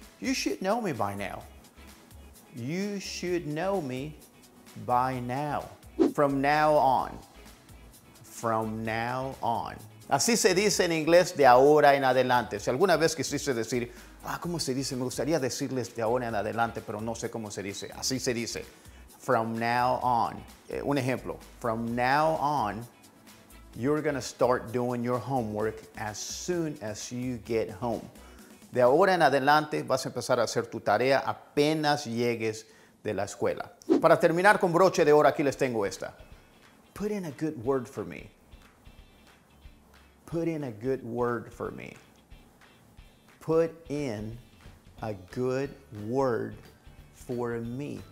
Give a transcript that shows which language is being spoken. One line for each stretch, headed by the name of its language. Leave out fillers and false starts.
English: You should know me by now. You should know me by now. From now on. From now on.
Spanish: Así se dice en inglés de ahora en adelante. Si alguna vez quisiste decir, ah, ¿cómo se dice? Me gustaría decirles de ahora en adelante, pero no sé cómo se dice. Así se dice.
English: From now on.
Spanish: Un ejemplo.
English: From now on, you're going to start doing your homework as soon as you get home.
Spanish: De ahora en adelante, vas a empezar a hacer tu tarea apenas llegues de la escuela. Para terminar con broche de oro, aquí les tengo esta.
English: Put in a good word for me. Put in a good word for me. Put in a good word for me.